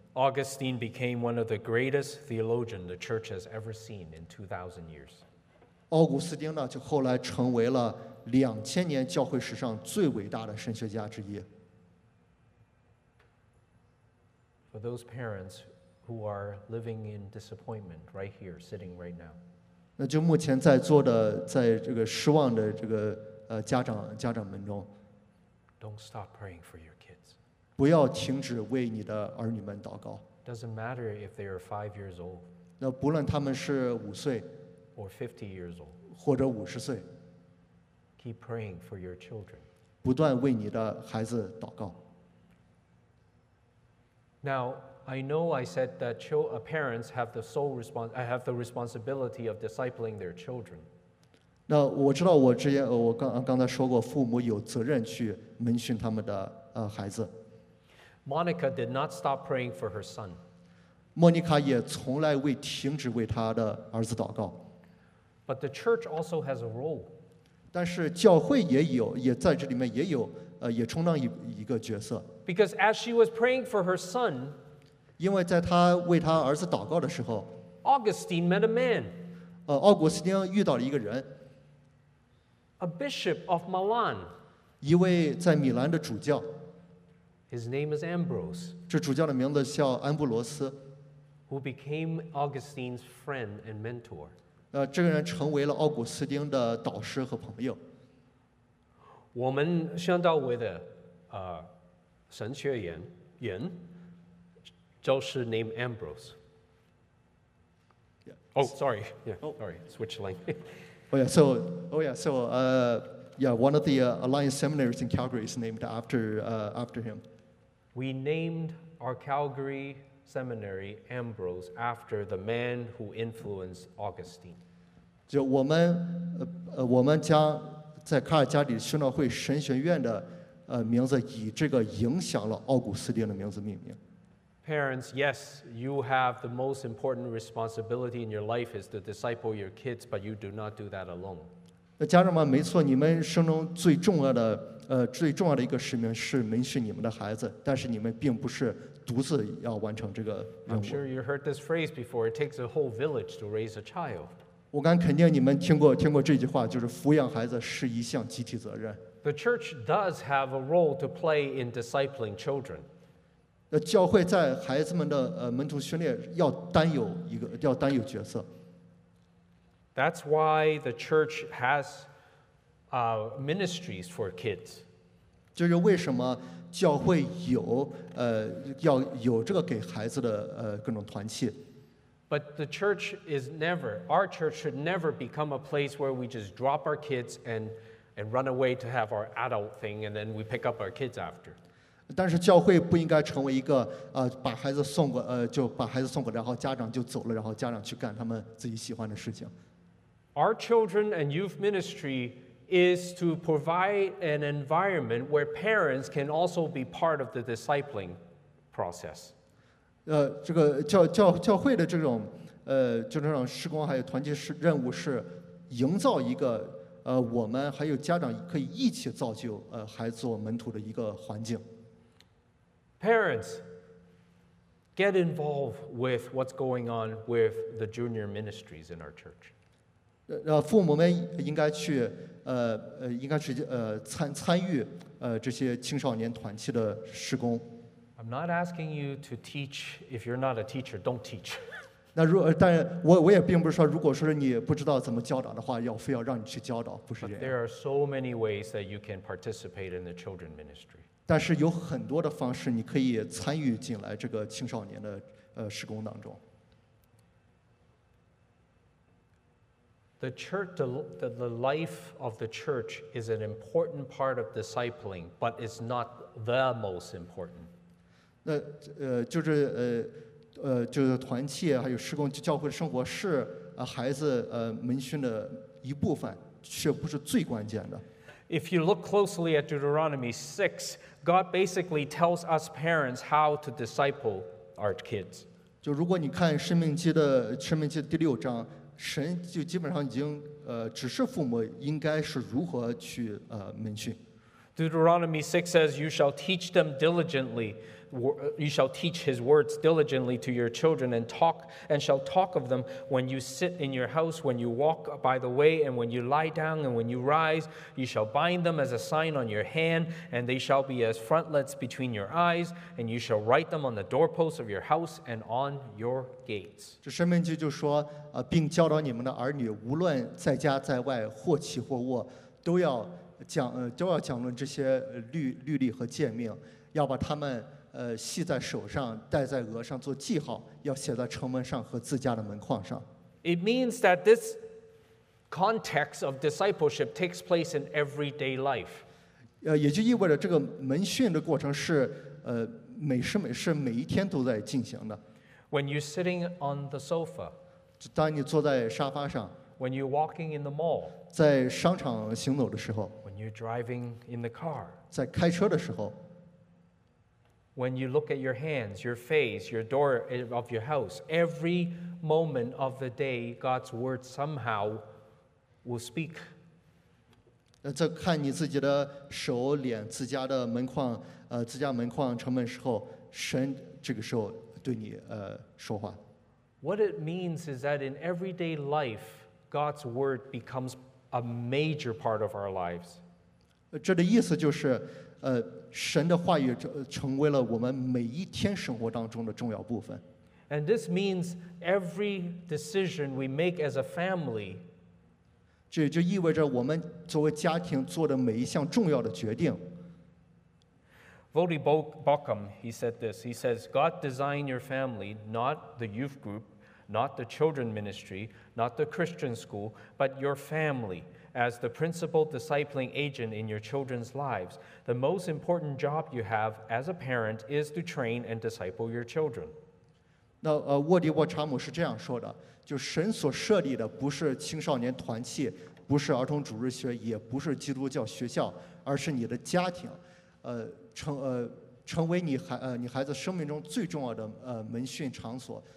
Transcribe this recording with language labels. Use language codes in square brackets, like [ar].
[en] Augustine became one of the greatest theologians the church has ever seen in 2,000 years. [zh] 奥古斯丁呢，就后来成为了2000年教会史上最伟大的神学家之一。 [en] For those parents who are living in disappointment right here, sitting right now. [zh] 那就目前在座的，在这个失望的这个家长们中。 [en] Don't stop praying for your kids. [zh] 不要停止为你的儿女们祷告。 [en] Doesn't matter if they are 5 years old. [zh] 那不论他们是五岁 [en] ，or 50 years old， [zh] 或者五十岁。 [en] Keep praying for your children. [zh] 不断为你的孩子祷告。 [en] Now I know I said that parents have the sole responsibility of discipling their children. [zh] 那我知道我刚才说过，父母有责任去门训他们的孩子。 [en] Monica did not stop praying for her son. [zh] 莫妮卡也从来未停止为她的儿子祷告。 [en] But the church also has a role. [zh] 但是教会也有，也在这里面也有，也充当一个角色。 [en] Because as she was praying for her son, [zh] 因为在她为她儿子祷告的时候 [en] ，Augustine met a man. [zh] 奥古斯丁遇到了一个人。 [en] A bishop of Milan. [zh] 一位在米兰的主教。 [en] His name is Ambrose. [zh] 这主教的名字叫安布罗斯。 [en] Who became Augustine's friend and mentor? [zh] 这个人成为了奥古斯丁的导师和朋友。我们相当为的神学员人，就是 [en] name Ambrose. Yeah. Oh, sorry. Yeah. Oh. Sorry. Switch line. Oh yeah. One of the Alliance seminaries in Calgary is named after him. We named our Calgary seminary Ambrose after the man who influenced Augustine. [zh] 就我们将在卡尔加里修道会神学院的名字以这个影响了奥古斯丁的名字命名。 [en] Parents, yes, you have the most important responsibility in your life is to disciple your kids, but you do not do that alone. [zh] 家人们，没错，你们生中最重要的一个使命是门训你们的孩子，但是你们并不是独自要完成这个任务。 [en] I'm sure you heard this phrase before. It takes a whole village to raise a child. [zh] 我敢肯定你们听过这句话，就是抚养孩子是一项集体责任。 [en] The church does have a role to play in discipling children. [zh] 教会在孩子们的门徒训练要担有角色。 [en] That's why the church has ministries for kids. [zh] 就是为什么教会有要有这个给孩子的各种团契。 [en] But the church is never, our church should never become a place where we just drop our kids and run away to have our adult thing and then we pick up our kids after. [zh] 但是教会不应该成为一个把孩子送过，然后家长就走了，然后家长去干他们自己喜欢的事情。 [en] Our children and youth ministry is to provide an environment where parents can also be part of the discipling process. [zh] 这个教会的这种施工还有团契任务是营造一个我们还有家长可以一起造就孩子做门徒的一个环境。 [en] Parents, get involved with what's going on with the junior ministries in our church. [zh] 父母们应该去应该去参与这些青少年团契的施工。 [en] I'm not asking you to teach if you're not a teacher. Don't teach. [zh] 那如但我也并不是说，如果说你不知道怎么教导的话，要非要让你去教导，不是这样。 [en] There are so many ways that you can participate in the children ministry. [zh] 但是有很多的方式你可以参与进来这个青少年的事工当中。 [en] The church, the life of the church is an important part of discipling, but it's not the most important. [zh] 那就是就是团契还有施工教会的生活是孩子门训的一部分，却不是最关键的。 [en] If you look closely at Deuteronomy 6, God basically tells us parents how to disciple our kids. [zh] 就如果你看申命记第六章，神就基本上已经指示父母应该是如何去门训。 [en] Deuteronomy 6 says, "You shall teach them diligently." You shall teach his words diligently to your children, and talk and shall talk of them when you sit in your house, when you walk by the way, and when you lie down, and when you rise. You shall bind them as a sign on your hand, and they shall be as frontlets between your eyes. And you shall write them on the doorposts of your house and on your gates. [zh] 这申命记就说，并教导你们的儿女，无论在家在外，或起或卧，都要讲，都要讲论这些律例和诫命，要把他们。系在手上，戴在额上，做记号，要写在城门上和自家的门框上。 [en] It means that this context of discipleship takes place in everyday life. [zh] 也就意味着这个门训的过程是每时每时每一天都在进行的。 [en] When you're sitting on the sofa, [zh] 当你坐在沙发上。 [en] When you're walking in the mall, [zh] 在商场行走的时候。 [en] When you're driving in the car, [zh] 在开车的时候。 [en] When you look at your hands, your face, your door of your house, every moment of the day, God's word somehow will speak. [zh] 在看你自己的手、脸、自家的门框、自家门框、城门时候，神这个时候对你说话。 [en] What it means is that in everyday life, God's word becomes a major part of our lives. [zh] 这的意思就是。神的话语成为了我们每一天生活当中的重要部分。 [en] And this means every decision we make as a family. [zh] 这就意味着我们作为家庭做的每一项重要的决定。 [en] Vody Bauckham, he said this. He says, "God designed your family, not the youth group, not the children ministry, not the Christian school, but your family." As the principal discipling agent in your children's lives, the most important job you have as a parent is to train and disciple your children. [zh] 那沃迪沃查姆是这样说的，就神所设立的不是青少年团契，不是儿童主日学，也不是基督教学校，而是你的家庭，成为你孩子生命中最重要的门训场所。